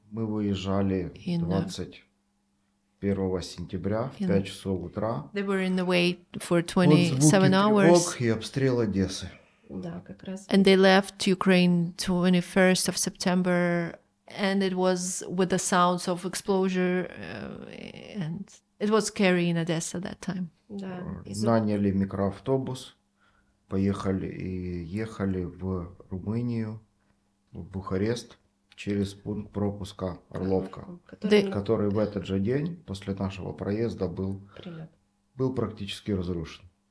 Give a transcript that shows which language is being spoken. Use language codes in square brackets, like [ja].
[ru] Мы выезжали 21 сентября, в 5 часов утра. [en] They were in the way for 27 hours. [ru] Вот звуки тревог и обстрел Одессы. Да, как раз. [en] And they left Ukraine 21st of September. And it was with the sounds of explosion, and it was scary in Odessa that time. [ru] Да. Наняли микроавтобус, поехали и ехали в Румынию, в Бухарест, через пункт пропуска Орловка, который в этот же день после нашего проезда был практически разрушен.